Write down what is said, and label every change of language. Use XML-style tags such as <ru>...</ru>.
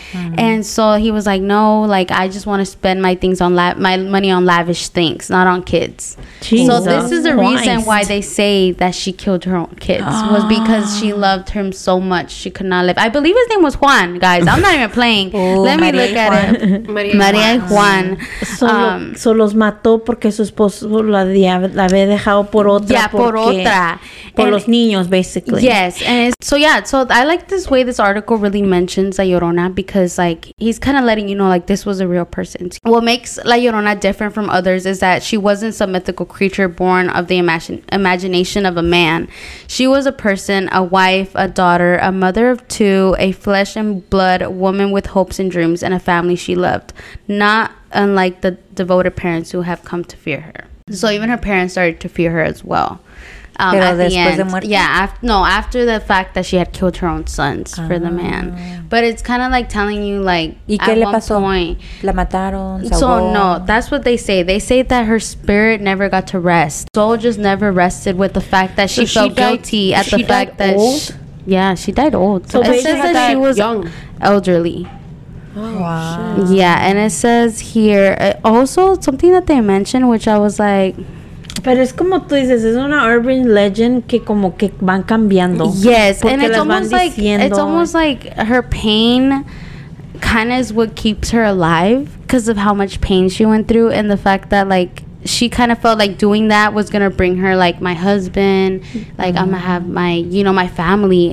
<en>And so he was like, no, like I just want to spend my things on my money on lavish things, not on kids. Jesus. So this is the reason why they say that she killed her own kids, was because she loved him so much she could not live. I believe his name was Juan, guys, I'm not even playing. Let me look at it. Maria y Juan.</en> <es>So los mató porque su esposo la había dejado por otra. Yeah, por otra. Por los niños, basically.</es> <en>Yes. And it's, so yeah, so I like this way this article really mentions La Llorona, because like he's kind of letting you know like this was a real person. What makes La Llorona different from others is that she wasn't some mythical creature born of the imagination of a man. She was a person, a wife, a daughter, a mother of two, a flesh and blood woman with hopes and dreams, and a family she loved, not unlike the devoted parents who have come to fear her. So even her parents started to fear her as well. After the fact that she had killed her own sons for the man. But it's kind of like telling you, like,</en> <es>¿y qué le pasó?</es> <en>At one point,</en> <es>la mataron,</es> <en>so no, that's what they say. They say that her spirit never got to rest. Soul just never rested with the fact that she felt guilty at the fact that she died old. So it says that she was young, elderly. Oh, wow. Shit. Yeah, and it says here also something that they mentioned, which I was like,</en> <es>pero es como tú dices, es una</es> <en>urban legend</en> <es>que como que van cambiando.</es> <en>Yes, and it's almost like diciendo, it's almost like her pain kind of is what keeps her alive because of how much pain she went through, and the fact that like she kind of felt like doing that was gonna bring her like my husband, like I'm gonna have my, you know, my family.</en>